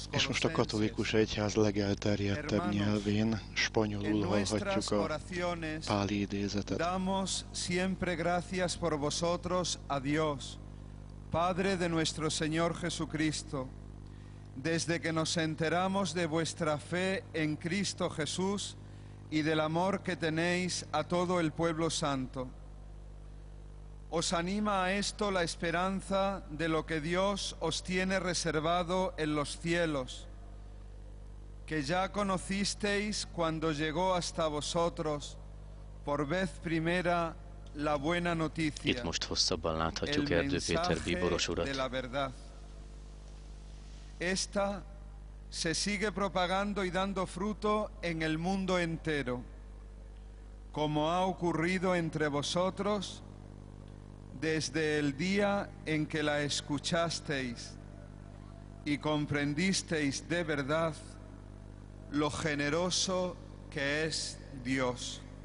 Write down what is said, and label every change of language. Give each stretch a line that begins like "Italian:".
Hungarian: Colosenses. És most a katolikus egyház legelterjedtebb nyelvén, spanyolul hallhatjuk a páli idézetet.
Spanish: Damos siempre gracias por vosotros a Dios, Padre de nuestro Señor Jesucristo, desde que nos enteramos de vuestra fe en Cristo Jesús y del amor que tenéis a todo el pueblo santo. Os anima a esto la esperanza de lo que Dios os tiene reservado en los cielos, que ya conocisteis cuando llegó hasta vosotros por vez primera la buena noticia.
Hungarian: Itt most hosszabban láthatjuk Erdő Péter bíboros urat.
Spanish: De la verdad. Esta se sigue propagando y dando fruto en el mundo entero, como ha ocurrido entre vosotros desde el día en que la escuchasteis y comprendisteis de verdad lo generoso que es Dios.